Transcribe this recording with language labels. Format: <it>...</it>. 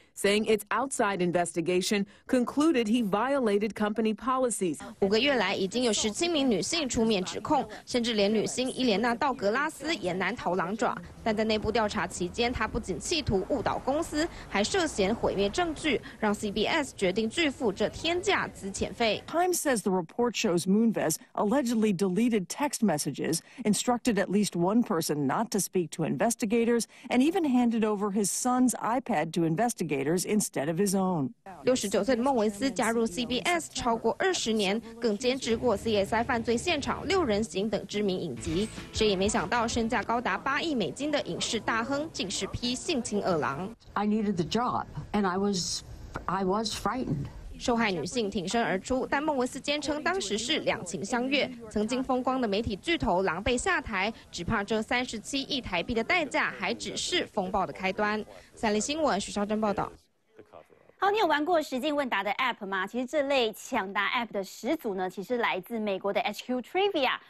<en>Saying its outside investigation concluded he violated company policies.</en> <zh>五个月来，已经有17名女性出面指控，甚至连女星伊莲娜·道格拉斯也难逃狼爪。但在内部调查期间，她不仅企图误导公司，还涉嫌毁灭证据，让 CBS 决定拒付这天价资遣费。</zh> <en>Time says the report shows Moonves allegedly deleted text messages, instructed at least one person not to speak to investigators, and even handed over his son's iPad to investigate. Instead of his own.</en> <zh>69岁的孟维斯加入 CBS 超过20年，更监制过 CSI 犯罪现场、六人行等知名影集。谁也没想到，身价高达8亿美金的影视大亨，竟是批性侵二郎。</zh> <en>I needed the job, and I was frightened.</en> <zh>受害女性挺身而出，但孟维斯坚称当时是两情相悦，曾经风光的媒体巨头狼狈下台，只怕这37亿台币的代价还只是风暴的开端。三立新闻许绍珍报道。好，你有玩过实境问答的 APP 吗？其实这类抢答 APP 的始祖呢，其实来自美国的 HQ Trivia。</zh>